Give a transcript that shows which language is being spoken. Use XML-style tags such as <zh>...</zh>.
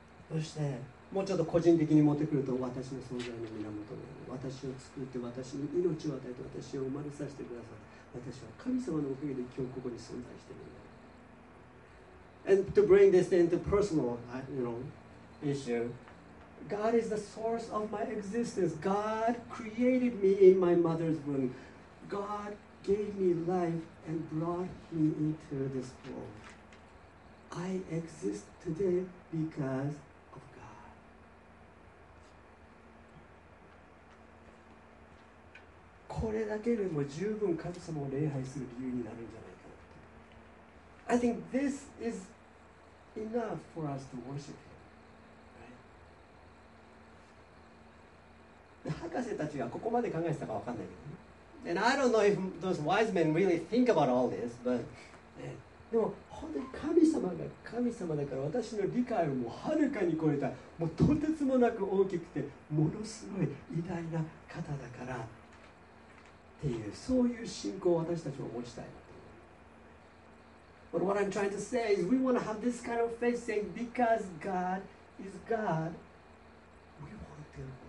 <ja>そしてもうちょっと個人的に持ってくると、私の存在の源である、私を作って私に命を与えて私を生まれさせてください、私は神様のおかげで今日ここに存在しているんだ。</ja> <en>And to bring this into personal, you know, issue, God is the source of my existence. God created me in my mother's womb. God gave me life and brought me into this world. I exist today because</en> <ja>これだけでも十分神様を礼拝する理由になるんじゃないかなと。</ja> <en>I think this is enough for us to worship him. Right?</en> <ja>博士たちがここまで考えてたかわかんないけどね。</ja> <en>And I don't know if those wise men really think about all this, but、</en> <ja>ね、でも本当に神様が神様だから私の理解をもうはるかに超えた、もうとてつもなく大きくてものすごい偉大な方だから。っていう、そういう信仰を私たちは持ちたいなと。</ja> <en>But what I'm trying to say is, we want to have this kind of faith, saying because God is God, we want to worship Him.</en>